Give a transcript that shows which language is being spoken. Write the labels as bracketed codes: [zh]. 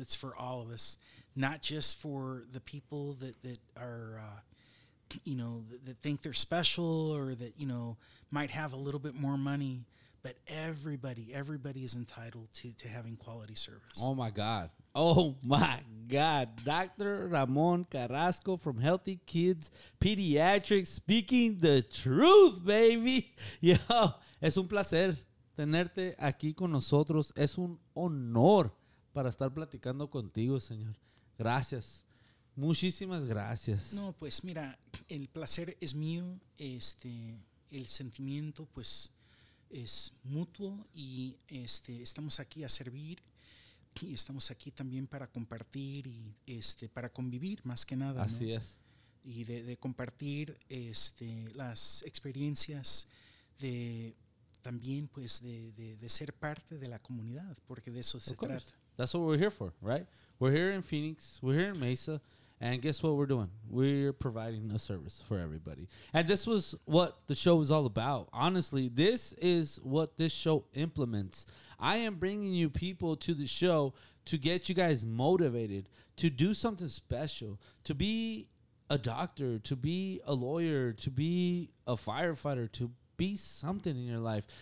[en] It's for all of us, not just for the people that are, you know, that think they're special or that, you know, might have a little bit more money, but everybody is entitled to having quality service. Oh my God. Oh my God. Dr. Ramon Carrasco from Healthy Kidz Pediatrics speaking the truth, baby. [es] Yo, es un placer tenerte aquí con nosotros. Es un honor para estar platicando contigo, señor. Gracias. Muchísimas gracias. No, pues mira, el placer es mío. El sentimiento, pues, es mutuo. Y estamos aquí a servir. Y estamos aquí también para compartir y para convivir, más que nada. Así ¿no? es. y de compartir este, las experiencias de también pues de ser parte de la comunidad, porque de eso se trata. [en] That's what we're here for, right? We're here in Phoenix, we're here in Mesa, and guess what we're doing? We're providing a service for everybody. And this was what the show was all about. Honestly, this is what this show implements. I am bringing you people to the show to get you guys motivated to do something special, to be a doctor, to be a lawyer, to be a firefighter, to be something in your life.